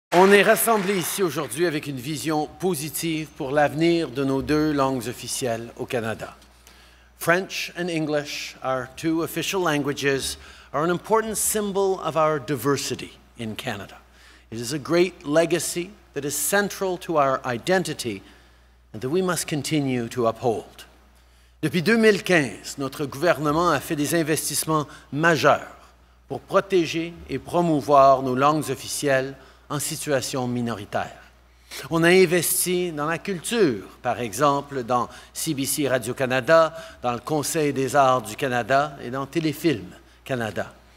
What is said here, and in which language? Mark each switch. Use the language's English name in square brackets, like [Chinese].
[French] On est rassemblés ici aujourd'hui avec une vision positive pour l'avenir de nos deux langues officielles au Canada. [English] French and English, our two official languages, are an important symbol of our diversity in Canada. It is a great legacy that is central to our identity and that we must continue to uphold. [French] Depuis 2015, notre gouvernement a fait des investissements majeurs pour protéger et promouvoir nos langues officielles en situation minoritaire. On a investi dans la culture, par exemple, dans CBC Radio-Canada, dans le Conseil des arts du Canada et dans Téléfilm Canada.